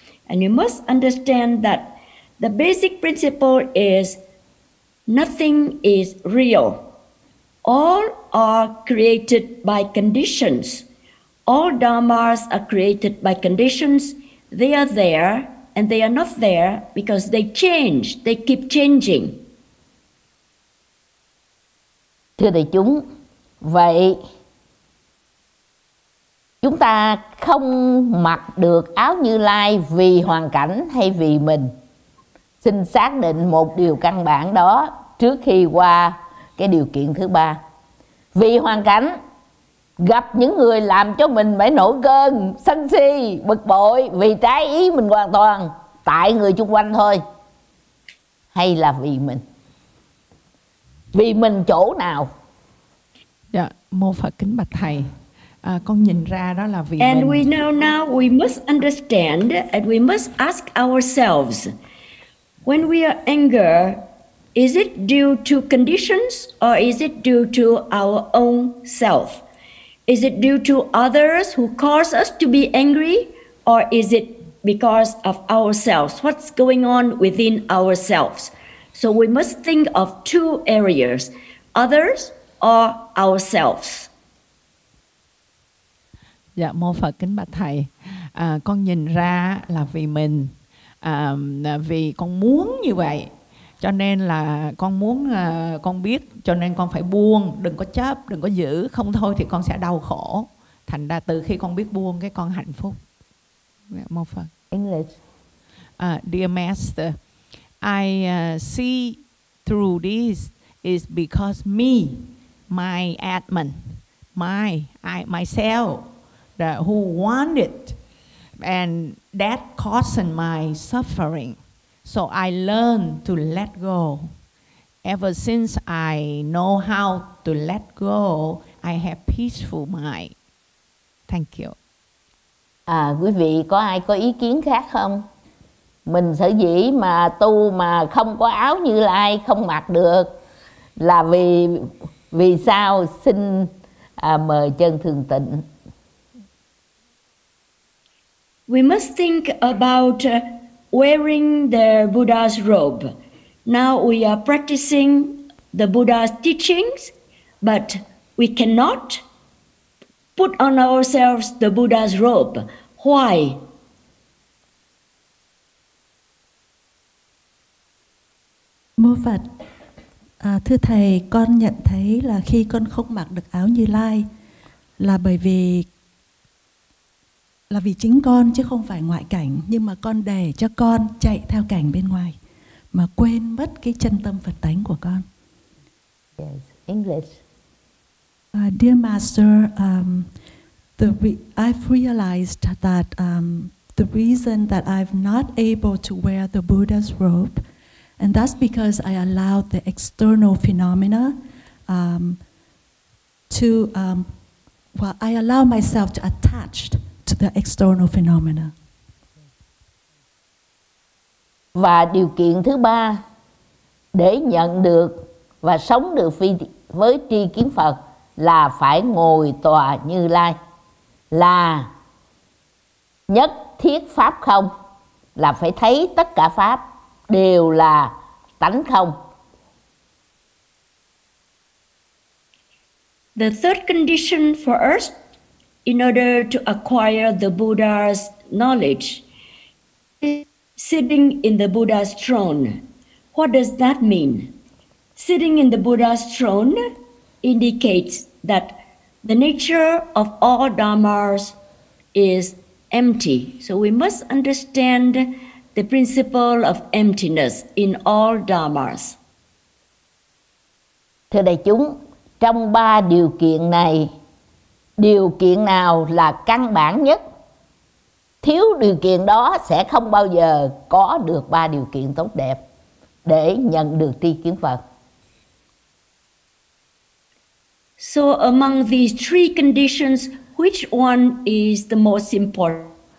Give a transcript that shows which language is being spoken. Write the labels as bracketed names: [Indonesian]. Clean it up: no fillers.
[English] And you must understand that the basic principle is nothing is real. All are created by conditions. All dharmas are created by conditions. They are there and they are not there because they change, they keep changing. [Vietnamese] Thưa đại chúng, vậy chúng ta không mặc được áo Như Lai vì hoàn cảnh hay vì mình. Xin xác định một điều căn bản đó trước khi qua cái điều kiện thứ ba. Vì hoàn cảnh, gặp những người làm cho mình phải nổi cơn, sân si, bực bội vì trái ý mình hoàn toàn tại người chung quanh thôi. Hay là vì mình? Vì mình chỗ nào? Dạ, mô Phật kính bạch thầy. Con nhìn ra đó là vì [English] and [Vietnamese] mình. [English] And we know now we must understand and we must ask ourselves. When we are anger, is it due to conditions or is it due to our own self? Is it due to others who cause us to be angry or is it because of ourselves? What's going on within ourselves? So we must think of two areas, others or ourselves. [Vietnamese] Dạ, mô Phật kính bạch thầy. Con nhìn ra là vì mình, vì con muốn như vậy, cho nên là con muốn, con biết, cho nên con phải buông, đừng có chấp, đừng có giữ, không thôi thì con sẽ đau khổ. Thành ra từ khi con biết buông, cái con hạnh phúc. Dạ, mô Phật. [English] English. Dear Master, I see through this is because me, my admin, myself, who want it, and that causing my suffering. So I learn to let go. Ever since I know how to let go, I have peaceful mind. Thank you. [Vietnamese] Quý vị có ai có ý kiến khác không? Mình sở dĩ mà tu mà không có áo Như Lai, không mặc được là vì sao? Xin mời chân thường tịnh. [English] We must think about wearing the Buddha's robe. Now we are practicing the Buddha's teachings, but we cannot put on ourselves the Buddha's robe. Why? [Vietnamese] Mô Phật, thưa Thầy, con nhận thấy là khi con không mặc được áo Như Lai là vì chính con chứ không phải ngoại cảnh, nhưng mà con để cho con chạy theo cảnh bên ngoài mà quên mất cái chân tâm Phật tánh của con. [English] Yes, English. Dear Master, I've realized that the reason that I'm not able to wear the Buddha's robe. And that's because I allowed the external phenomena I allow myself to attach to the external phenomena. [Vietnamese] Và điều kiện thứ ba để nhận được và sống được với tri kiến Phật là phải ngồi tòa Như Lai, là nhất thiết pháp không, là phải thấy tất cả pháp đều là tánh không. [English] The third condition for us, in order to acquire the Buddha's knowledge, is sitting in the Buddha's throne. What does that mean? Sitting in the Buddha's throne indicates that the nature of all dharmas is empty. So we must understand the principle of emptiness in all dharmas. [Vietnamese] Thưa đại chúng, trong ba điều kiện này, điều kiện nào là căn bản nhất? Thiếu điều kiện đó sẽ không bao giờ có được ba điều kiện tốt đẹp để nhận được tri kiến Phật. [English] So among these three conditions, which one is the most important?